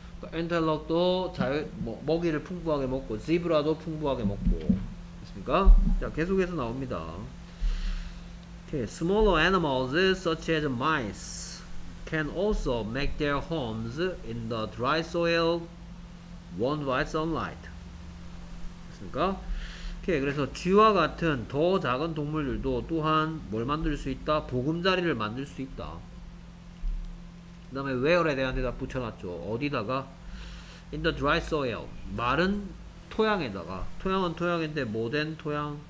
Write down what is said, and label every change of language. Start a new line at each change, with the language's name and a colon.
Korean: 엔텔럭도 자유, 먹이를 풍부하게 먹고 지브라도 풍부하게 먹고 됐습니까? 자 계속해서 나옵니다. Okay.
English: Smaller animals such as mice can also make their homes in the dry soil warmed by sunlight.
Korean: 됐습니까? Okay. 그래서 쥐와 같은 더 작은 동물들도 또한 뭘 만들 수 있다? 보금자리를 만들 수 있다. 그 다음에 where에 대한 대답 붙여놨죠. 어디다가?
English: In the dry soil.
Korean: 마른 토양에다가. 토양은 토양인데 모든 토양.